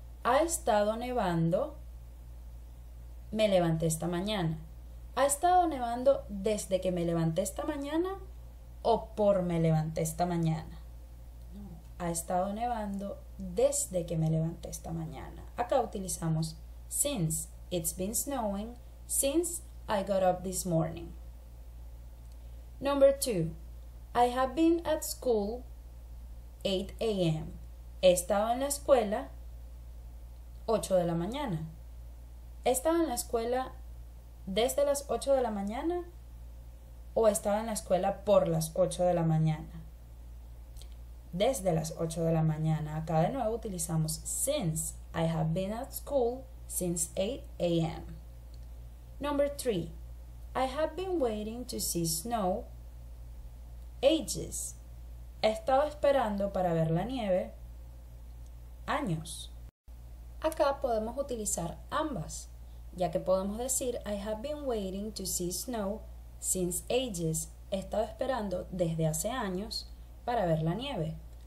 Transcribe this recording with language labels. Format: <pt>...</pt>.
<es>Ha estado nevando. Me levanté esta mañana. ¿Ha estado nevando desde que me levanté esta mañana o por me levanté esta mañana? Ha estado nevando desde que me levanté esta mañana. Acá utilizamos since.</es> <en>It's been snowing since I got up this morning. Number 2. I have been at school 8 a.m.</en> <es>He estado en la escuela 8 de la mañana. He estado en la escuela desde las 8 de la mañana o he estado en la escuela por las 8 de la mañana. Desde las 8 de la mañana. Acá de nuevo utilizamos since.</es> <en>I have been at school since 8 a.m. Number 3. I have been waiting to see snow ages.</en> <es>He estado esperando para ver la nieve años. Acá podemos utilizar ambas, ya que podemos decir</es> <en>I have been waiting to see snow since ages.</en> <es>He estado esperando desde hace años para ver la nieve.</es>